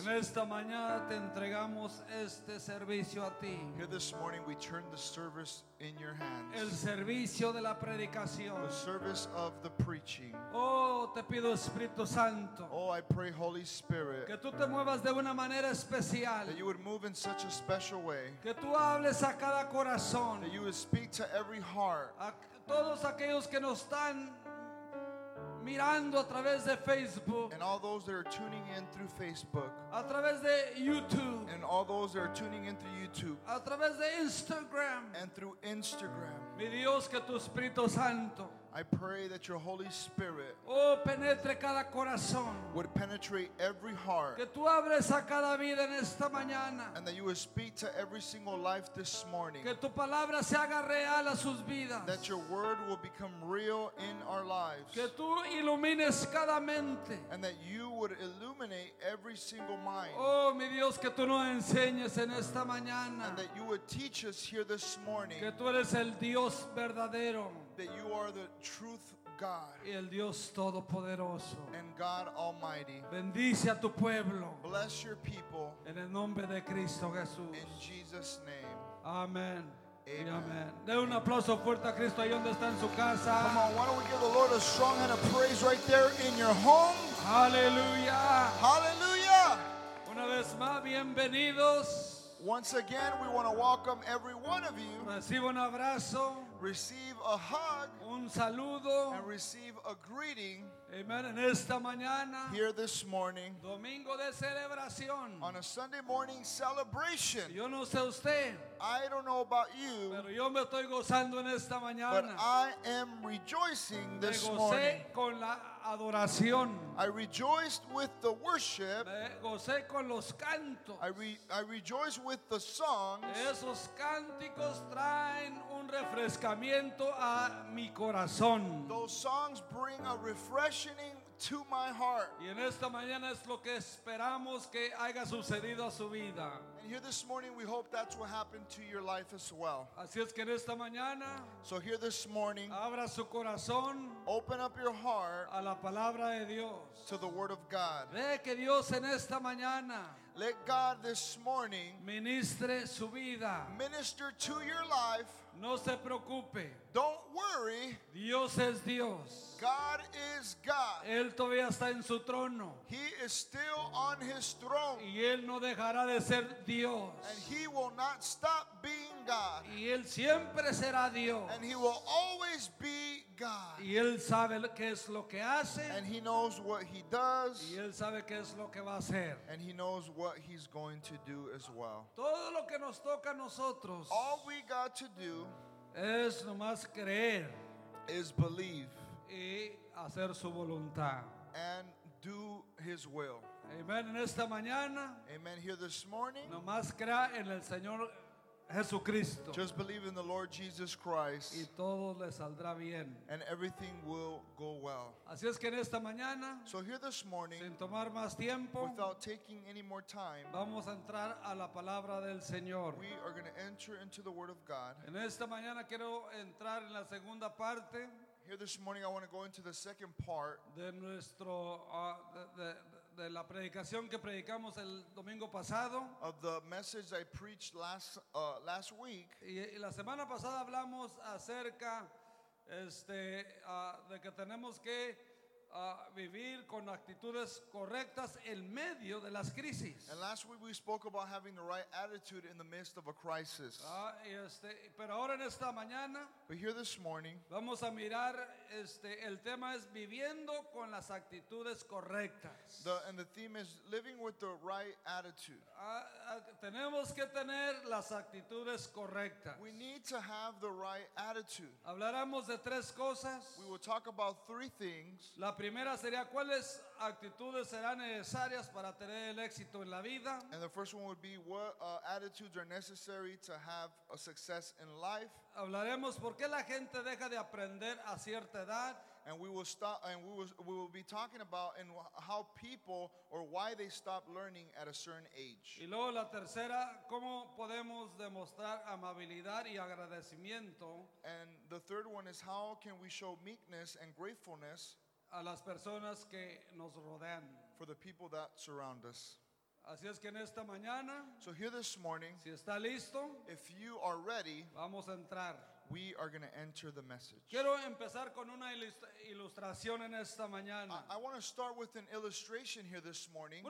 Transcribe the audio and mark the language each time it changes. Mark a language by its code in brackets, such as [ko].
[es] En esta mañana te entregamos este servicio a ti. [en] Here this morning we turn the service in your hands. [es] El servicio de la predicación. [en] The service of the preaching. [es] Oh, te pido Espíritu Santo. [en] Oh, I pray Holy Spirit. [es] Que tú te muevas de una manera especial. [en] That you would move in such a special way. [es] Que tú hables a cada corazón. [en] That you would speak to every heart. [es] A todos aquellos que nos están mirando a través de Facebook. [en] And all those that are tuning in through Facebook. [es] A través de YouTube. [en] And all those that are tuning in through YouTube. [es] A través de Instagram. [en] And through Instagram. [es] Mi Dios, que tu Espíritu Santo. [en] I pray that your Holy Spirit, [es] oh, penetre cada corazón, [en] would penetrate every heart, [es] que tú abres a cada vida en esta mañana, [en] and that you would speak to every single life this morning, [es] que tu palabra se haga real a sus vidas, [en] that your word will become real in our lives, [es] que tú ilumines cada mente, [en] and that you would illuminate every single mind. [es] Oh, mi Dios, que tú nos enseñes en esta mañana, [en] and that you would teach us here this morning, [es] que tú eres el Dios verdadero, [en] that you are the truth God, [es] el Dios todopoderoso, [en] and God Almighty. [es] Bendice a tu pueblo. [en] Bless your people. [es] En el nombre de Cristo Jesús. [en] In Jesus' name. [es] Amen. [en] Amen. Amen. [es] De un aplauso fuerte a Cristo ahí donde está en su casa. [en] Come on, why don't we give the Lord a strong hand of praise right there in your home? [es] Hallelujah. [en] Hallelujah. [es] Una vez más, bienvenidos. [en] Once again, we want to welcome every one of you. [es] Recibe un abrazo. [en] Receive a hug. [es] Un saludo. [en] And receive a greeting. [es] Amen. En esta mañana. [en] Here this morning. [es] Domingo de celebración. [en] On a Sunday morning celebration. [es] Yo no sé usted. [en] I don't know about you. [es] Pero yo me estoy gozando en esta mañana. [en] But I am rejoicing this morning. [es] Me gocé con la adoración. [en] I rejoiced with the worship. [es] Me gocé con los cantos. [en] I rejoiced with the songs. [es] Esos cánticos traen un refrescamiento a mi corazón. [en] Those songs bring a refreshing to my heart. [es] Y en esta mañana es lo que esperamos que haya sucedido a su vida. [en] And here this morning we hope that's what happened to your life as well. [es] Así es que en esta mañana, [en] so here this morning, [es] abra su corazón, [en] open up your heart, [es] a la palabra de Dios, [en] to the word of God. [es] Ve que Dios en esta mañana, [en] let God this morning [es] ministre su vida, [en] minister to your life. [es] No se preocupe. [en] Don't worry. [es] Dios es Dios. [en] God is God. [es] Él todavía está en su trono. [en] He is still on his throne. [es] Y él no dejará de ser Dios. [en] And he will not stop being God. [es] Y él siempre será Dios. [en] And he will always be God. [es] Y él sabe qué es lo que hace. [en] And he knows what he does. [es] Y él sabe qué es lo que va a hacer. [en] And he knows what he's going to do as well. [es] Todo lo que nos toca a nosotros, [en] all we got to do [es] es nomás creer, [en] is believe, [es] y hacer su voluntad, [en] and do his will. [es] Amen. En esta mañana, [en] amen, here this morning, [es] nomás crea en el Señor Jesucristo, [en] just believe in the Lord Jesus Christ, [es] y todo le saldrá bien, [en] and everything will go well. [es] Así es que en esta mañana, [en] so here this morning, [es] sin tomar más tiempo, [en] without taking any more time, [es] vamos a entrar a la palabra del Señor. [en] We are going to enter into the word of God. [es] En esta mañana quiero entrar en la segunda parte. [en] Here this morning I want to go into the second part [es] de nuestro de la predicación que predicamos el domingo pasado, [en] of the message I preached last week. [es] Y la semana pasada hablamos acerca de que tenemos que vivir con actitudes correctas en medio de las crisis. [en] And last week we spoke about having the right attitude in the midst of a crisis. [es] Pero ahora en esta mañana, [en] but here this morning, [es] vamos a mirar el tema es viviendo con las actitudes correctas. [en] And the theme is living with the right attitude. [es] Tenemos que tener las actitudes correctas. [en] We need to have the right attitude. [es] Hablaremos de tres cosas. [en] We will talk about three things. [es] La primera sería cuáles actitudes serán necesarias para tener el éxito en la vida. [en] And the first one would be what attitudes are necessary to have a success in life. [es] Hablaremos por qué la gente deja de aprender a cierta edad. [en] and we will stop, and we will be talking about and how people or why they stop learning at a certain age. [es] Y luego la tercera, cómo podemos demostrar amabilidad y agradecimiento. [en] And the third one is how can we show meekness and gratefulness [es] a las personas que nos rodean. [en] For the people that surround us. [es] Así es que en esta mañana, [en] so here this morning, [es] si está listo, [en] if you are ready, [es] vamos a entrar. [en] We are going to enter the message. [es] Quiero empezar con una ilustración en esta mañana. [en] I want to start with an illustration here this morning.